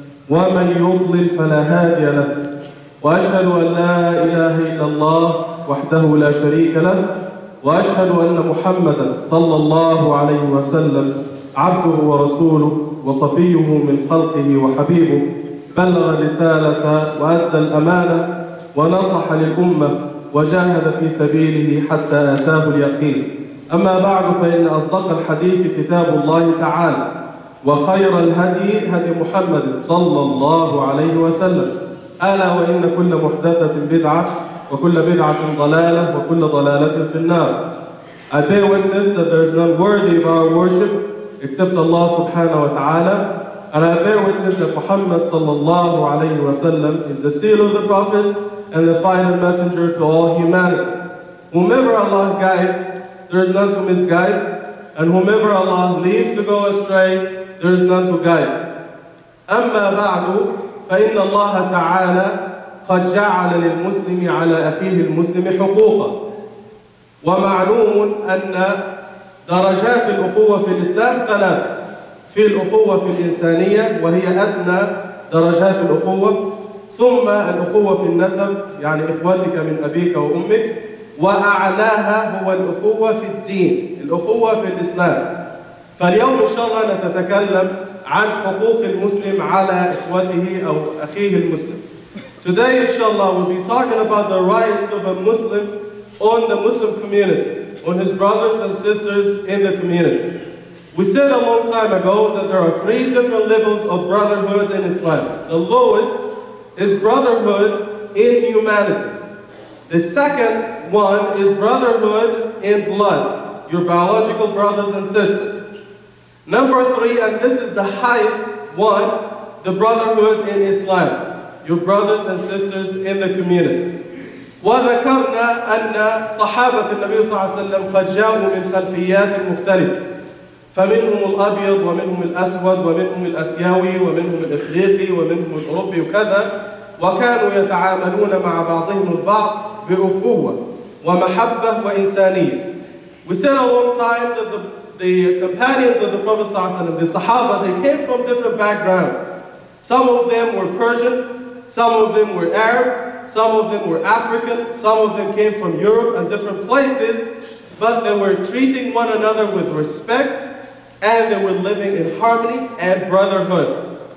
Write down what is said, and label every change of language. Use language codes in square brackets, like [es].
[ar] ومن يضلل فلا هادي له، وأشهد أن لا إله إلا الله وحده لا شريك له، وأشهد أن محمدا صلى الله عليه وسلم عبده ورسوله وصفيه من خلقه وحبيبه، بلغ رسالة وأدى الأمانة ونصح للأمة وجاهد في سبيله حتى أتاه اليقين. أما بعد، فإن أصدق الحديث كتاب الله تعالى، وخير الهدي هدي محمد صلى الله عليه وسلم، ألا وإن كل محدثة بدعة وكل بدعة ضلالة وكل ضلالة في النار. [en] A day witness that there is none worthy of our worship except Allah subhanahu wa ta'ala. And I bear witness that Muhammad sallallahu alayhi wa sallam is the seal of the prophets and the final messenger to all humanity. Whomever Allah guides, there is none to misguide. And whomever Allah leaves to go astray, there is none to guide. [ar] أما بعد، فإن الله تعالى قد جعل للمسلم على أخيه المسلم حقوقا. ومعلوم أن درجات الأخوة في الإسلام ثلاثة. في الأخوة في الإنسانية، وهي أدنى درجات الأخوة، ثم الأخوة في النسب، يعني إخوتك من أبيك وأمك، وأعلاها هو الأخوة في الدين، الأخوة في الإسلام. فاليوم إن شاء الله نتكلم عن حقوق المسلم على إخوته أو أخيه المسلم. [en] Today إن شاء الله we'll be talking about the rights of a Muslim on the Muslim community, on his brothers and sisters in the community. We said a long time ago that there are three different levels of brotherhood in Islam. The lowest is brotherhood in humanity. The second one is brotherhood in blood, your biological brothers and sisters. Number three, and this is the highest one, the brotherhood in Islam, your brothers and sisters in the community. [ar] وَذَكَرْنَا أَنَّ صَحَابَةِ النَّبِيُّ صَلَّى اللَّهُ عَلَيْهِ وَسَلَّمْ قَدْ جَاءُوا مِنْ خَلْفِيَّاتٍ مُخْتَلِفٍ فمنهم الأبيض ومنهم الأسود ومنهم الأسياوي ومنهم الإفريقي ومنهم الأوروبي وكذا، وكانوا يتعاملون مع بعضهم البعض بأخوة ومحبة وإنسانية. [en] We said a long time that the companions of the Prophet صلى الله عليه وسلم, the Sahaba, they came from different backgrounds. Some of them were Persian, some of them were Arab, some of them were African, some of them came from Europe and different places, but they were treating one another with respect, and they were living in harmony and brotherhood.